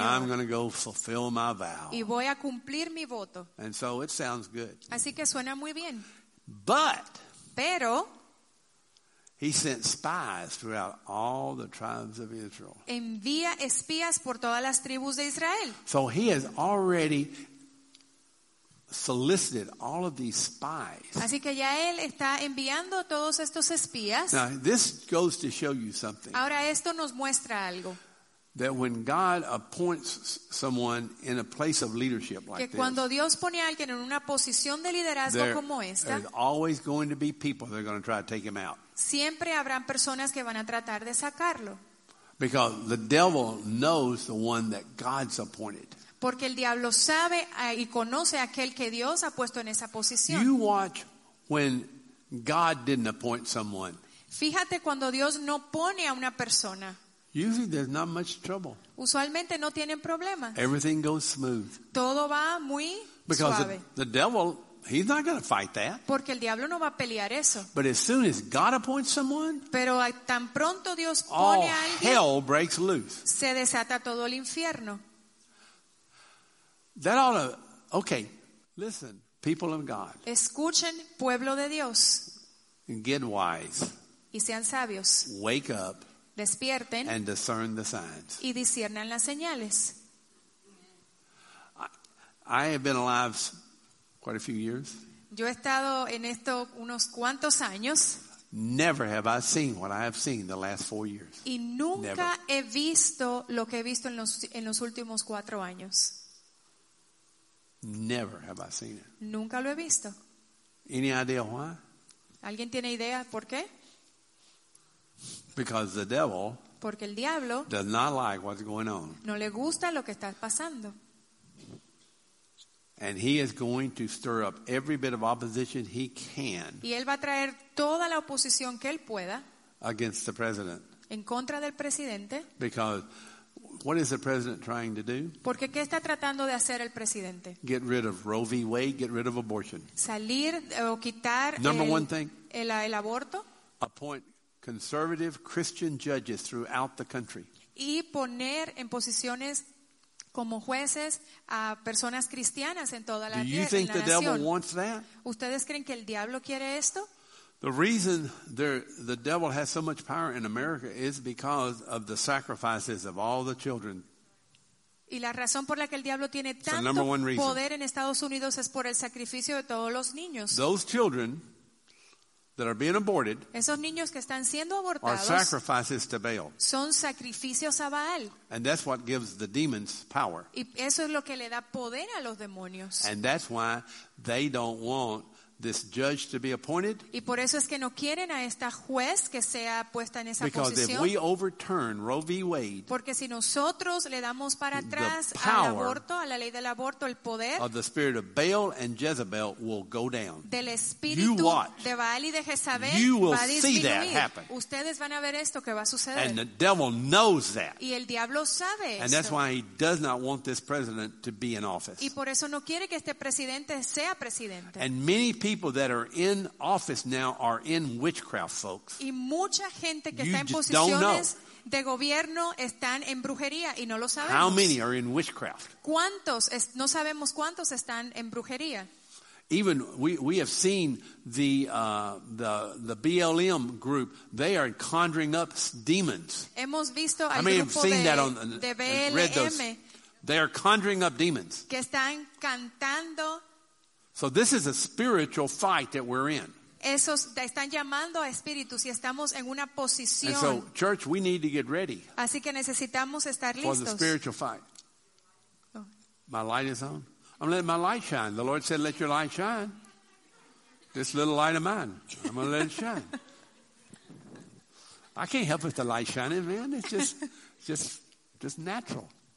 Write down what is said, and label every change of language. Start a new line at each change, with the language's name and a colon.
English: And I'm going to go fulfill my vow.
Spanish: Y voy a cumplir mi voto.
English: And so it sounds good.
Spanish: Así que suena muy bien.
English: But.
Spanish: Pero.
English: He sent spies throughout all the tribes of Israel.
Spanish: Envía espías por todas las tribus de Israel.
English: So he has already solicited all of these spies.
Spanish: Así que ya él está enviando todos estos espías.
English: Now this goes to show you something.
Spanish: Ahora esto nos muestra algo.
English: That when God appoints someone in a place of leadership like this,
Spanish: que cuando Dios pone a alguien en una posición de liderazgo como esta,
English: there's always going to be people that are going to try to take him out.
Spanish: Siempre habrán personas que van a tratar de sacarlo.
English: Because the devil knows the one that God's appointed.
Spanish: Porque el diablo sabe y conoce aquel que Dios ha puesto en esa posición.
English: You watch when God didn't appoint someone.
Spanish: Fíjate cuando Dios no pone a una persona.
English: Usually there's not much trouble.
Spanish: Usualmente no tienen problemas.
English: Everything goes smooth.
Spanish: Todo va muy suave.
English: Because the devil, he's not going to fight that.
Spanish: Porque el diablo no va a pelear eso.
English: But as soon as God appoints someone,
Spanish: pero tan pronto Dios pone a alguien,
English: all hell breaks loose.
Spanish: Se desata todo el infierno.
English: That ought to, okay, listen, people of God.
Spanish: Escuchen, pueblo de Dios.
English: And get wise.
Spanish: Y sean sabios.
English: Wake up.
Spanish: Despierten.
English: And discern the signs.
Spanish: Y disciernan las señales.
English: I have been alive quite a few years.
Spanish: Yo he estado en esto unos cuantos años.
English: Never have I seen what I have seen the last 4 years.
Spanish: Y nunca he visto lo que he visto en los últimos 4 años.
English: Never have I seen it.
Spanish: Nunca lo he visto.
English: Any idea why?
Spanish: ¿Alguien tiene idea por qué?
English: Because the devil.
Spanish: Porque el diablo.
English: Does not like what's going on.
Spanish: No le gusta lo que está pasando.
English: And he is going to stir up every bit of opposition he can.
Spanish: Y él va a traer toda la oposición que él pueda.
English: Against the president.
Spanish: En contra del presidente.
English: Because what is the president trying to do?
Spanish: Porque qué está tratando de hacer el presidente?
English: Get rid of Roe v. Wade. Get rid of abortion.
Spanish: Salir o quitar.
English: Number one thing.
Spanish: El aborto.
English: Appoint conservative Christian judges throughout the country.
Spanish: Y poner en posiciones como jueces a personas cristianas en toda la nación. ¿Ustedes creen que el diablo quiere esto?
English: The reason the devil has so much power in America is because of the sacrifices of all the children.
Spanish: Y la razón por la que el diablo tiene tanto poder en Estados Unidos es por el sacrificio de todos los niños.
English: Those children that are being aborted,
Spanish: esos niños que están siendo abortados,
English: are sacrifices to Baal.
Spanish: Son sacrificios a Baal.
English: And that's what gives the demons power.
Spanish: Y eso es lo que le da poder a los demonios.
English: And that's why they don't want this judge to be appointed.
Spanish: Y por eso es que no quieren a esta juez que sea puesta en esa posición.
English: Because if we overturn Roe v. Wade,
Spanish: porque si nosotros le damos para atrás al aborto, a la ley del aborto, el poder
English: of the spirit of Baal and Jezebel will go down.
Spanish: Del espíritu de Baal y de Jezabel va a disminuir. Ustedes van a ver esto que va a suceder.
English: And the devil knows that.
Spanish: Y el diablo sabe esto.
English: And that's why he does not want this president to be in office.
Spanish: Y por eso no quiere que este presidente sea presidente.
English: And many people that are in office now are in witchcraft, folks.
Spanish: Y mucha gente que está en posiciones de gobierno están en brujería y no lo sabemos.
English: How many are in witchcraft?
Spanish: ¿Cuántos? No sabemos cuántos están en brujería.
English: Even we have seen the BLM group. They are conjuring up demons.
Spanish: Hemos visto al grupo de BLM.
English: They are conjuring up demons.
Spanish: Que están cantando.
English: So this is a spiritual fight that we're in.
Spanish: Esos están llamando a espíritus y estamos en una posición.
English: And so, church, we need to get ready.
Spanish: Así que necesitamos estar listos.
English: For the spiritual fight. My light is on. I'm letting my light shine. The Lord said, let your light shine. This little light of mine, I'm going to let it shine. I can't help it, the light shining, man. It's just natural.